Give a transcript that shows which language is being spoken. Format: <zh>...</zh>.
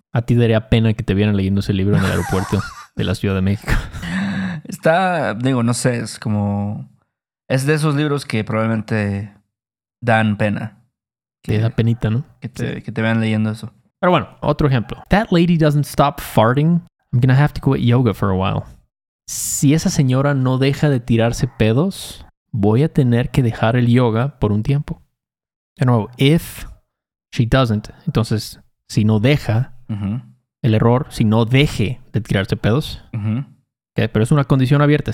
<es>A ti daría pena que te vieran leyendo ese libro en el aeropuerto de la Ciudad de México. Está, digo, no sé, es como... Es de esos libros que probablemente dan pena. Que, te da penita, ¿no? Que te vean leyendo eso. Pero bueno, otro ejemplo.</es> <en>That lady doesn't stop farting. I'm gonna have to quit yoga for a while.</en> <es>Si esa señora no deja de tirarse pedos, voy a tener que dejar el yoga por un tiempo. De nuevo, if she doesn't, entonces, si no deja, el error, si no deje de tirarse pedos, okay, pero es una condición abierta.</es>